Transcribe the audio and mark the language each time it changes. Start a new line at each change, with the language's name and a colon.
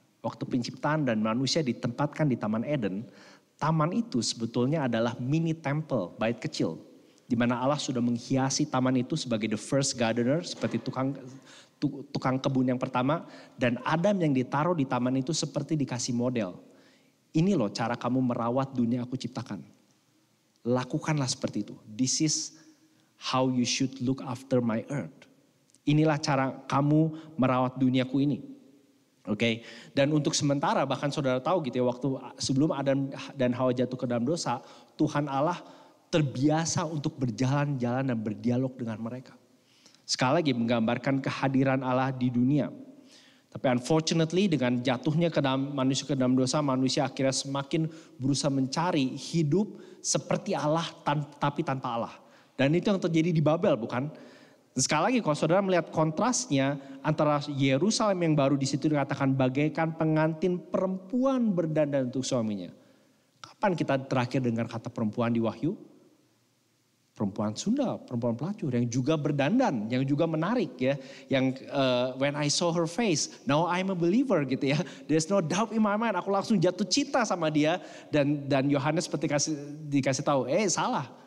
Indonesian: Waktu penciptaan dan manusia ditempatkan di Taman Eden, taman itu sebetulnya adalah mini temple, bait kecil. Di mana Allah sudah menghiasi taman itu sebagai
English: the first gardener,
Indonesian: seperti tukang kebun yang pertama. Dan Adam yang ditaruh di taman itu seperti dikasih model. Ini loh cara kamu merawat dunia aku ciptakan. Lakukanlah seperti itu.
English: This is how you should look after my earth.
Indonesian: Inilah cara kamu merawat duniaku ini. Okay? Dan untuk sementara bahkan saudara tahu gitu ya, waktu sebelum Adam dan Hawa jatuh ke dalam dosa, Tuhan Allah terbiasa untuk berjalan-jalan dan berdialog dengan mereka. Sekali lagi menggambarkan kehadiran Allah di dunia. Tapi unfortunately dengan jatuhnya manusia ke dalam dosa, manusia akhirnya semakin berusaha mencari hidup seperti Allah tapi tanpa Allah. Dan itu yang terjadi di Babel bukan? Sekali lagi kalau saudara melihat kontrasnya antara Yerusalem yang baru di situ dikatakan bagaikan pengantin perempuan berdandan untuk suaminya. Kapan kita terakhir dengar kata perempuan di Wahyu? Perempuan Sunda, perempuan pelacur yang juga berdandan, yang juga menarik ya.
English: Yang when I saw her face, now I'm a believer gitu ya. There's no doubt in my mind,
Indonesian: aku langsung jatuh cinta sama dia. Dan Yohanes seperti dikasih tahu, salah.